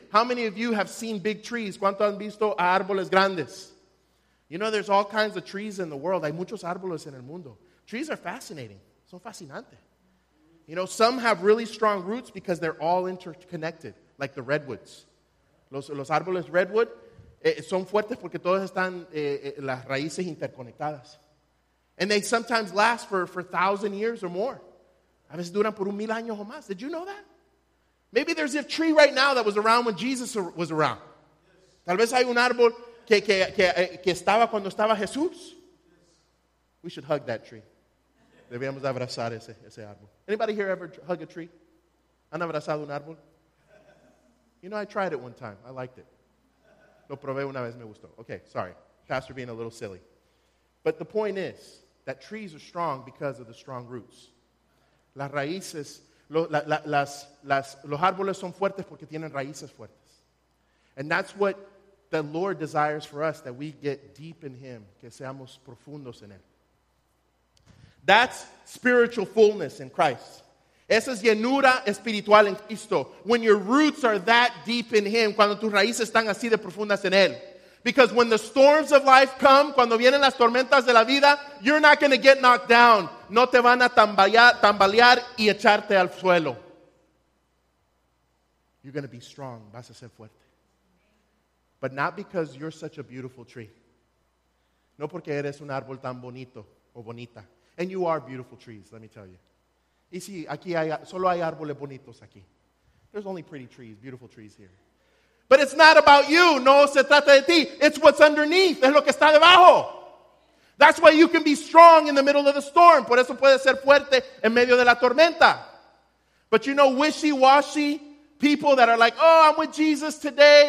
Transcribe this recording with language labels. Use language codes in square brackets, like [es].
[en] How many of you have seen big trees? [es] ¿Cuántos han visto árboles grandes? [en] You know, there's all kinds of trees in the world. [es] Hay muchos árboles en el mundo. [en] Trees are fascinating. [es] Son fascinantes. [en] You know, some have really strong roots because they're all interconnected, like the redwoods. [es] Los árboles redwood son fuertes porque todos están las raíces interconectadas. [en] And they sometimes last for 1,000 years or more. [es] A veces duran por 1,000 años o más. [en] Did you know that? Maybe there's a tree right now that was around when Jesus was around. [es] Tal vez hay un árbol que estaba cuando estaba Jesús. [en] We should hug that tree. [es] Debemos abrazar ese árbol. [en] Anybody here ever hug a tree? [es] ¿Han abrazado un árbol? [en] You know, I tried it one time. I liked it. [es] Lo probé una vez, me gustó. [en] Okay, sorry. Pastor being a little silly. But the point is that trees are strong because of the strong roots. [es] Las raíces, los árboles son fuertes porque tienen raíces fuertes. [en] And that's what the Lord desires for us, that we get deep in Him, [es] que seamos profundos en Él. [en] That's spiritual fullness in Christ. [es] Esa es llenura espiritual en Cristo. [en] When your roots are that deep in Him, [es] cuando tus raíces están así de profundas en Él. [en] Because when the storms of life come, [es] cuando vienen las tormentas de la vida, [en] you're not going to get knocked down. [es] No te van a tambalear y echarte al suelo. [en] You're going to be strong. [es] Vas a ser fuerte. [en] But not because you're such a beautiful tree. [es] No porque eres un árbol tan bonito o bonita. [en] And you are beautiful trees, let me tell you. [es] Y sí, aquí hay, solo hay árboles bonitos aquí. [en] There's only pretty trees, beautiful trees here. But it's not about you. [es] No se trata de ti. [en] It's what's underneath. [es] Es lo que está debajo. [en] That's why you can be strong in the middle of the storm. [es] Por eso puedes ser fuerte en medio de la tormenta. [en] But you know, wishy-washy people that are like, oh, I'm with Jesus today.